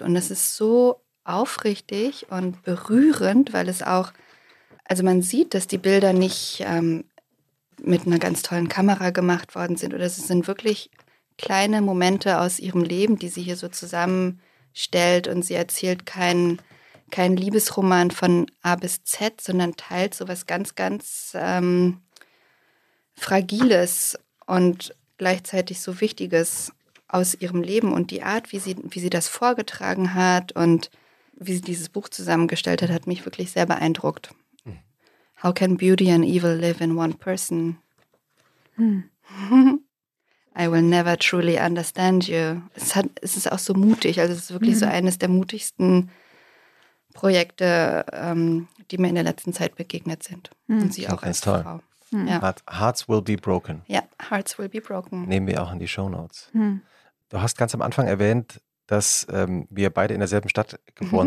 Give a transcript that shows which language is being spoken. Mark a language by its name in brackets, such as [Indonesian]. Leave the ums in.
[German] Und es ist so aufrichtig und berührend, weil es auch, also man sieht, dass die Bilder nicht ähm, mit einer ganz tollen Kamera gemacht worden sind oder es sind wirklich kleine Momente aus ihrem Leben, die sie hier so zusammenstellt und sie erzählt keinen kein Liebesroman von A bis Z, sondern teilt sowas ganz, ganz ähm, Fragiles und gleichzeitig so Wichtiges aus ihrem Leben und die Art, wie sie, wie sie das vorgetragen hat und wie sie dieses Buch zusammengestellt hat, hat mich wirklich sehr beeindruckt. [English] How can beauty and evil live in one person? Hm. I will never truly understand you. [German] Es, hat, es ist auch so mutig. Also es ist wirklich Mhm. so eines der mutigsten Projekte, ähm, die mir in der letzten Zeit begegnet sind. Mhm. Und sie Klingt auch ganz als toll. Frau. Mhm. Ja. [English] Heart- Hearts will be broken. ja, Hearts will be broken. [German] Nehmen wir auch in die Show Notes. Hm. Du hast ganz am Anfang erwähnt, dass ähm, wir beide in derselben Stadt geboren